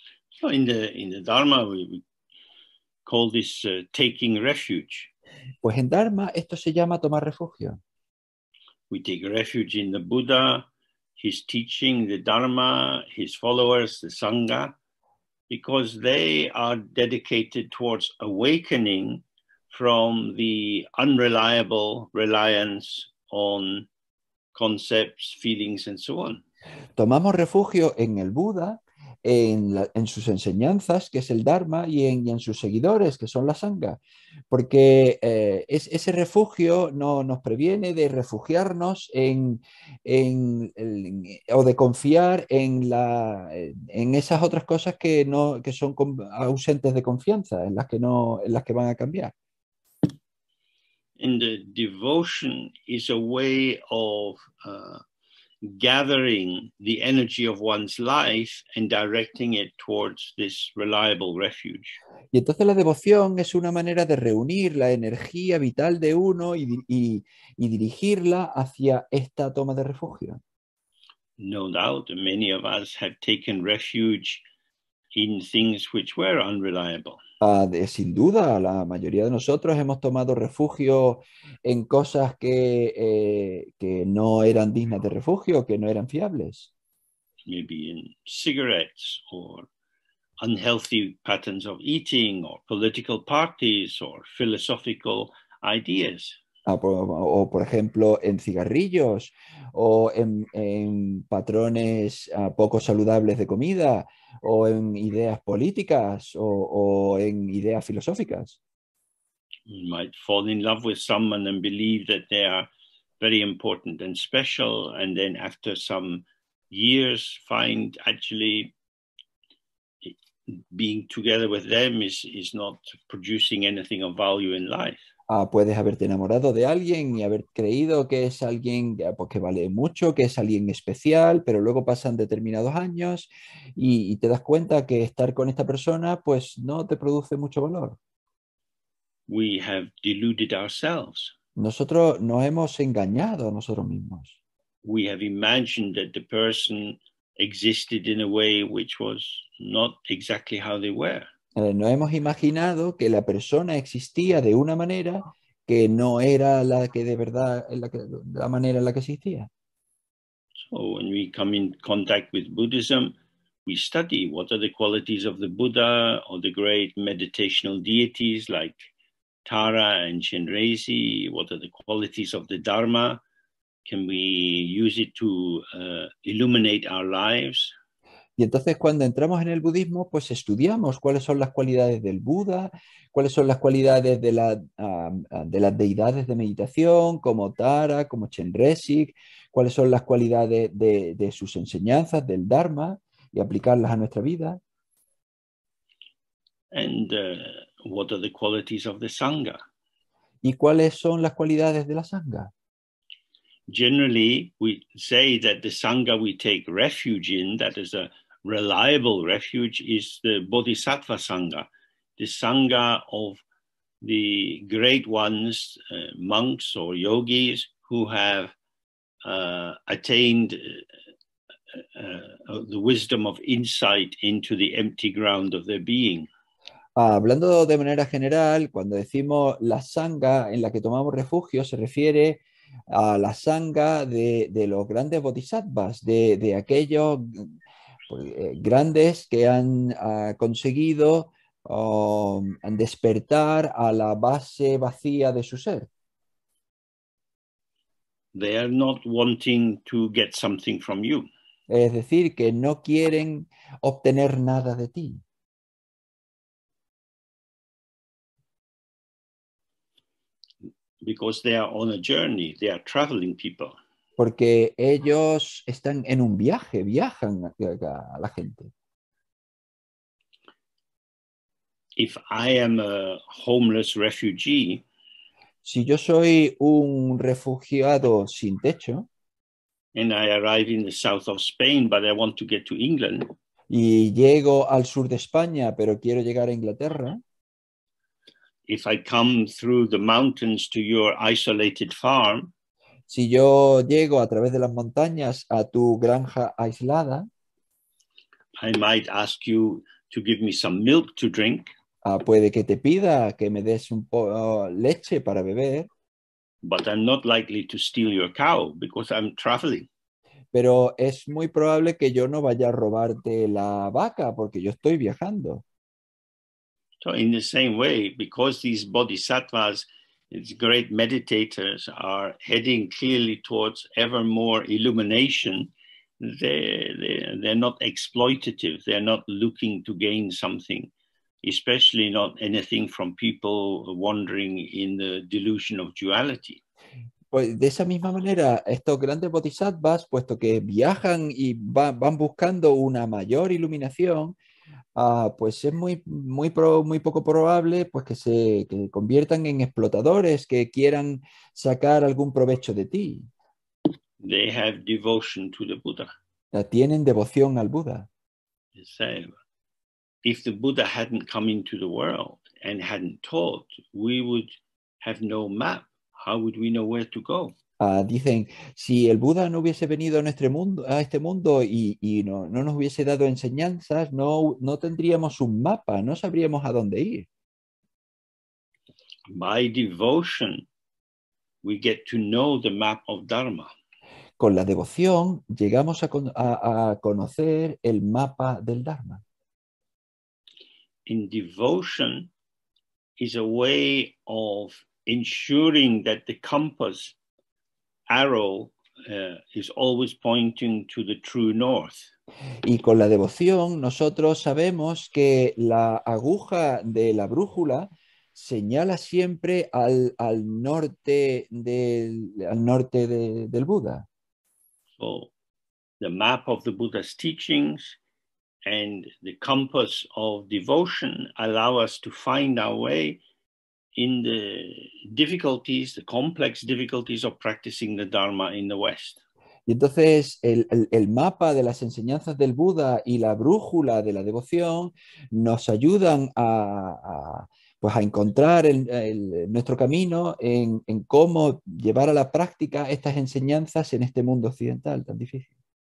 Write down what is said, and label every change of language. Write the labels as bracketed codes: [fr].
[en] So in the Dharma we call this taking refuge. [es] Pues en Dharma esto se llama tomar refugio. [en] We take refuge in the Buddha, his teaching, the Dharma, his followers, the Sangha, because they are dedicated towards awakening from the unreliable reliance on concepts, feelings, and so on. [es] Tomamos refugio en el Buda, en sus enseñanzas, que es el Dharma, y en sus seguidores, que son la Sangha, porque ese refugio no nos previene de refugiarnos o de confiar en esas otras cosas que son ausentes de confianza, en las que van a cambiar. [en] And the devotion is a way of gathering the energy of one's life and directing it towards this reliable refuge. [es] Y entonces la devoción es una manera de reunir la energía vital de uno y dirigirla hacia esta toma de refugio. [en] No doubt many of us have taken refuge in things which were unreliable. [es] Sin duda, la mayoría de nosotros hemos tomado refugio en cosas que no eran dignas de refugio, que no eran fiables. [en] Maybe in cigarettes or unhealthy patterns of eating or political parties or philosophical ideas. [es] O por ejemplo, en cigarrillos o en patrones poco saludables de comida o en ideas políticas o en ideas filosóficas. [en] You might fall in love with someone and believe that they are very important and special, and then after some years find actually being together with them is not producing anything of value in life. [es] Puedes haberte enamorado de alguien y haber creído que es alguien pues, que vale mucho, que es alguien especial, pero luego pasan determinados años y te das cuenta que estar con esta persona pues, no te produce mucho valor. [en] We have deluded ourselves. [es] Nosotros nos hemos engañado a nosotros mismos. [en] We have imagined that the person existed in a way which was not exactly how they were. [es] No hemos imaginado que la persona existía de una manera que no era la que de verdad la manera en la que existía. [en] So when we come in contact with Buddhism, we study what are the qualities of the Buddha or the great meditational deities like Tara and Shinrezi, what are the qualities of the Dharma, can we use it to illuminate our lives? [es] Y entonces cuando entramos en el budismo, pues estudiamos cuáles son las cualidades del Buda, cuáles son las cualidades de las deidades de meditación, como Tara, como Chenrezig, cuáles son las cualidades de sus enseñanzas, del Dharma, y aplicarlas a nuestra vida. [en] And what are the qualities of the Sangha? [es] ¿Y cuáles son las cualidades de la Sangha? [en] Generally, we say that the Sangha we take refuge in, that is a reliable refuge, is the Bodhisattva Sangha, the Sangha of the great ones, monks or yogis who have attained the wisdom of insight into the empty ground of their being. [es] Hablando de manera general, cuando decimos la sangha en la que tomamos refugio, se refiere a la sangha de los grandes bodhisattvas, de aquellos grandes que han conseguido despertar a la base vacía de su ser. [en] They are not wanting to get something from you. [es] Es decir, que no quieren obtener nada de ti. [en] Because they are on a journey, they are traveling people. [es] Porque ellos están en un viaje, viajan a la gente. [en] If I am a homeless refugee, [es] si yo soy un refugiado sin techo, [en] and I arrive in the south of Spain, but I want to get to England, [es] y llego al sur de España, pero quiero llegar a Inglaterra. [en] If I come through the mountains to your isolated farm, [es] si yo llego a través de las montañas a tu granja aislada, [en] I might ask you to give me some milk to drink. [es] Puede que te pida que me des un poco leche para beber. [en] But I'm not likely to steal your cow because I'm traveling. [es] Pero es muy probable que yo no vaya a robarte la vaca porque yo estoy viajando. [en] So in the same way, because these bodhisattvas, these great meditators, are heading clearly towards ever more illumination, they're not exploitative. They're not looking to gain something, especially not anything from people wandering in the delusion of duality. [es] Pues de esa misma manera, estos grandes bodhisattvas, puesto que viajan y van buscando una mayor iluminación, pues es muy poco probable pues que conviertan en explotadores que quieran sacar algún provecho de ti. [en] They have devotion to the Buddha. [es] Tienen devoción al Buddha. [en] If the Buddha hadn't come into the world and hadn't taught, we would have no map. How would we know where to go? [es] Dicen, si el Buda no hubiese venido a nuestro mundo, a este mundo y no nos hubiese dado enseñanzas, no tendríamos un mapa, no sabríamos a dónde ir. [en] By devotion, we get to know the map of Dharma. [es] Con la devoción llegamos a conocer el mapa del Dharma. [en] In devotion is a way of ensuring that the compass arrow is always pointing to the true north. [es] Y con la devoción nosotros sabemos que la aguja de la brújula señala siempre al norte del Buda. [en] So the map of the Buddha's teachings and the compass of devotion allow us to find our way in the difficulties, the complex difficulties of practicing the Dharma in the West. [es] Y entonces el mapa de las enseñanzas del Buda y la brújula de la devoción nos ayudan a encontrar nuestro camino en cómo llevar a la práctica estas enseñanzas en este mundo occidental tan difícil.